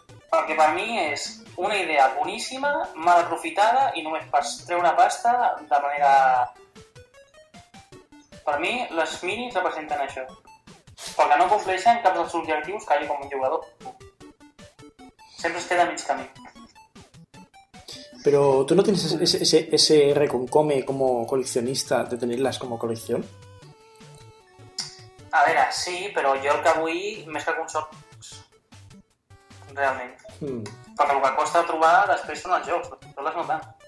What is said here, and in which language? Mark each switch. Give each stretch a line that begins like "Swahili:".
Catalan: Perquè per mi és una idea boníssima, mal aprofitada i només per treure pasta de manera... Per mi, les minis representen això. Perquè no compleixen cap dels objectius que hi ha com un jugador. Sempre es queda a mig camí. Però tu no tens
Spanish: ese reconcome como coleccionista de tenerlas como colección?
Catalan: A veure, sí, però jo el que vull més que consoles. Realment. Hmm. Perquè el que costa trobar després són els jocs, però les no tant.